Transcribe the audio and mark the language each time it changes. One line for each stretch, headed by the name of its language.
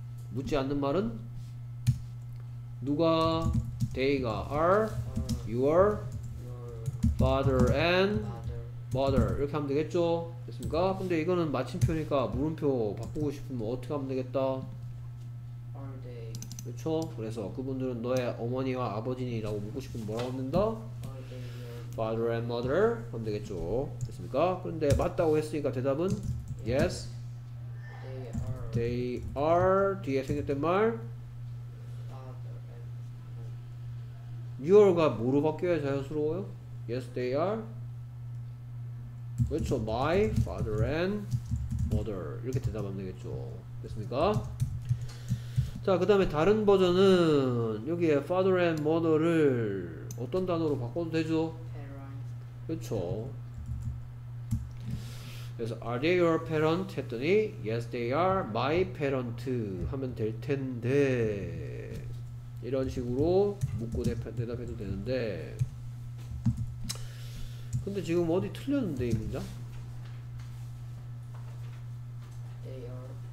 Korean: 묻지 않는 말은 누가 they가
English: are your father and mother
Korean: 이렇게 하면 되겠죠? 됐습니까? 근데 이거는 마침표니까 물음표 바꾸고 싶으면 어떻게 하면 되겠다?
English: Are they?
Korean: 그렇죠? 그래서 그분들은 너의 어머니와 아버지니라고 묻고 싶으면 뭐라고 묻는다?
English: Are they your father and mother
Korean: 하면 되겠죠? 됐습니까? 근데 맞다고 했으니까 대답은 yes.
English: They are
Korean: 뒤에 생겼던 말
English: father and
Korean: your가 뭐로 바뀌어야 자연스러워요?
English: Yes, they are.
Korean: 그렇죠.
English: My father and mother.
Korean: 이렇게 대답하면 되겠죠. 됐습니까? 자, 그 다음에 다른 버전은 여기에
English: father and mother
Korean: 를 어떤 단어로 바꿔도 되죠?
English: Parent.
Korean: 그렇죠.
English: 그래서 Are they your parent?
Korean: 했더니
English: Yes, they are my parent.
Korean: 하면 될 텐데 이런 식으로 묻고 대답해도 되는데 근데 지금 어디 틀렸는데 이 문장?
English: They are